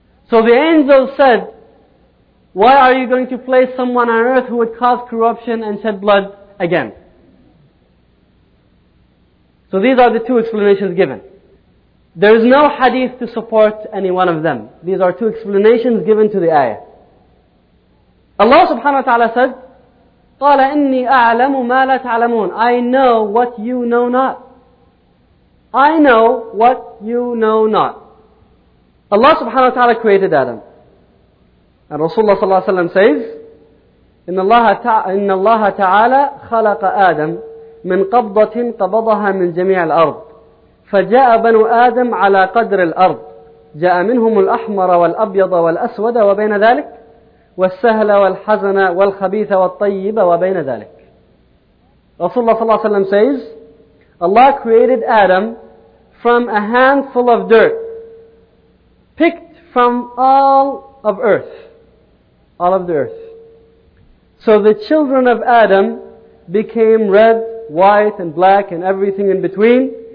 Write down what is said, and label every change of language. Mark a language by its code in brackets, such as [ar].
[en] So the angels said, why are you going to place someone on earth who would cause corruption and shed blood again? So these are the two explanations given. There is no hadith to support any one of them. These are two explanations given to the ayah. Allah subhanahu wa ta'ala said, [ar] قَالَ إِنِّي أَعْلَمُ مَا لَا تَعْلَمُونَ. [en] I know what you know not. I know what you know not. Allah subhanahu wa ta'ala created Adam. And Rasulullah sallallahu alayhi wa sallam says, [ar] إِنَّ اللَّهَ تَعَالَى خَلَقَ آدَمْ مِنْ قَبْضَةٍ قَبَضَهَا مِنْ جَمِيعِ الْأَرْضِ فَجَاءَ بَنُوا آدَمْ عَلَى قَدْرِ الْأَرْضِ جَاءَ مِنْهُمُ الْأَحْمَرَ وَالْأَبْيَضَ وَالْأَسْوَدَ وَبَيْنَ ذَلِكَ وَالسَّهْلَ وَالْحَزَنَ وَالْخَبِيثَ وَالطَّيِّبَ وَبَيْنَ ذَلِكَ. [en] Rasulullah sallallahu alayhi wa sallam says, Allah created Adam from a handful of dirt, picked from all of earth. All of the earth. So the children of Adam became red, white, and black, and everything in between.